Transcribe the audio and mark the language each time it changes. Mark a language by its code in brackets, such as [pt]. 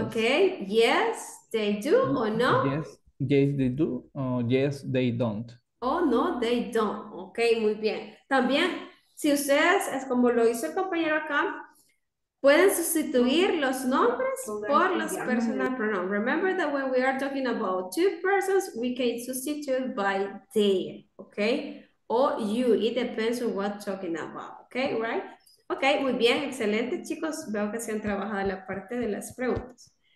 [en] Okay. Yes, they do or no? Yes, they do. Yes, they don't. Oh, no, they don't. Okay, [es] muy bien. También, si ustedes, es como lo hizo el compañero acá, pueden sustituir los nombres por los personal pronouns. [en] Remember that when we are talking about two persons, we can substitute by they, okay? Or you, it depends on what talking about, okay, right? [es] Okay, muy bien, excelente, chicos. Veo que se han trabajado la parte de las preguntas.